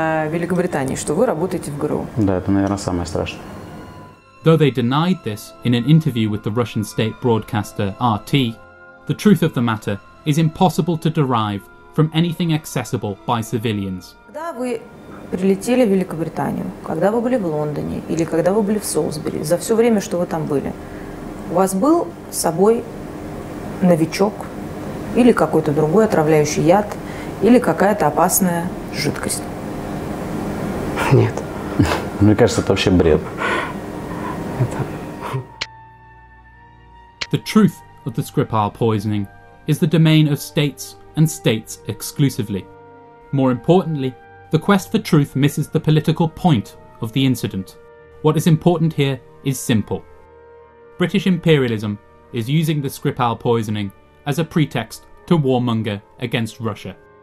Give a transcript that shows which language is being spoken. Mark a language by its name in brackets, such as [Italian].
[Russian] Великобритании, что вы работаете в ГРУ. Да, это, наверное, самое страшное. [English] Though they denied this in an interview with the Russian state broadcaster RT, the truth of the matter is impossible to derive from anything accessible by civilians. [Russian] Да, вы прилетели в Великобританию, когда вы были в Лондоне или когда вы были в Солсбери, за все время, что вы там были, у вас был с собой новичок или какой-то другой отравляющий яд или какая-то опасная жидкость? Нет. Мне кажется, это вообще бред. Это... [English] The truth of the Skripal poisoning is the domain of states and states exclusively. More importantly, the quest for truth misses the political point of the incident. What is important here is simple. British imperialism is using the Skripal poisoning as a pretext to warmonger against Russia.